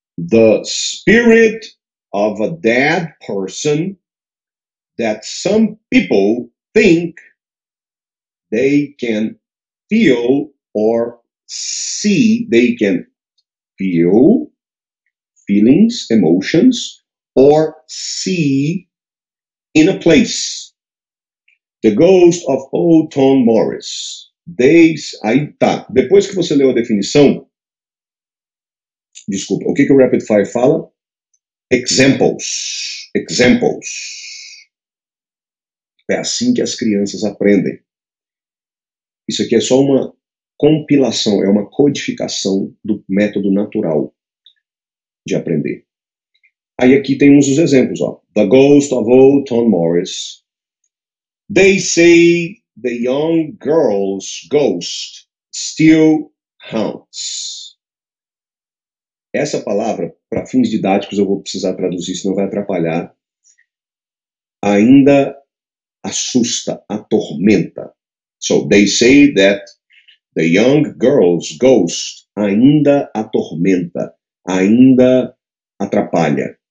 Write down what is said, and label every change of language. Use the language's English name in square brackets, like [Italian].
[English] The spirit of a dead person that some people think they can feel or see. They can feel feelings, emotions, or see in a place. The ghost of old Tom Morris. [Portuguese] Days, aí tá. Depois que você leu a definição, desculpa, o que que o Rapid Fire fala? [English] Examples, examples. [Portuguese] É assim que as crianças aprendem. Isso aqui é só uma compilação, é uma codificação do método natural de aprender. Aí aqui tem uns dos exemplos, ó. [English] The Ghost of Old Tom Morris. They say the young girl's ghost still haunts. [Portuguese] Essa palavra, para fins didáticos, eu vou precisar traduzir, senão vai atrapalhar. Ainda assusta, atormenta. [English] So they say that the young girl's ghost [Portuguese] ainda atormenta, ainda atrapalha.